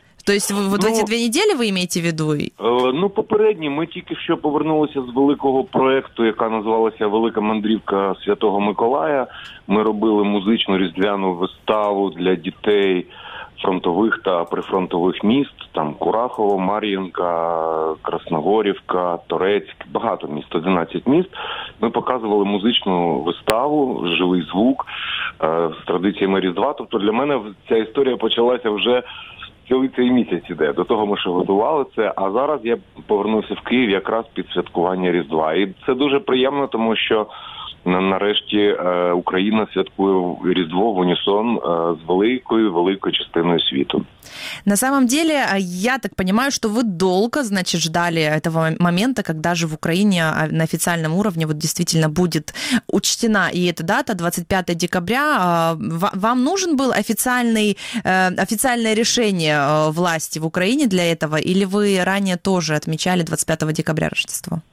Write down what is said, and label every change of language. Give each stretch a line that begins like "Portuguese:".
Russian: То есть вы вот эти две недели вы имеете в виду?
Ukrainian: Ну, попередні, ми тільки що повернулися з великого проекту, яка називалася «Велика мандрівка Святого Миколая». Ми робили музичну різдвяну виставу для дітей фронтових та прифронтових міст. Там Курахово, Мар'їнка, Красногорівка, Торецьк, багато міст, 11 міст. Ми показували музичну виставу, живий звук з традиціями Різдва. Тобто для мене ця історія почалася вже... Цілий цей місяць іде. До того ми ще готували це. А зараз я повернувся в Київ якраз під святкування Різдва. І це дуже приємно, тому що нарешті Україна святкує Різдво в унісон з великою-великою частиною світу.
Russian: На самом деле, я так понимаю, что вы долго, значит, ждали этого момента, когда же в Украине на официальном уровне вот действительно будет учтена и эта дата, 25 декабря. Вам нужен был официальное решение власти в Украине для этого, или вы ранее тоже отмечали 25 декабря Рождество?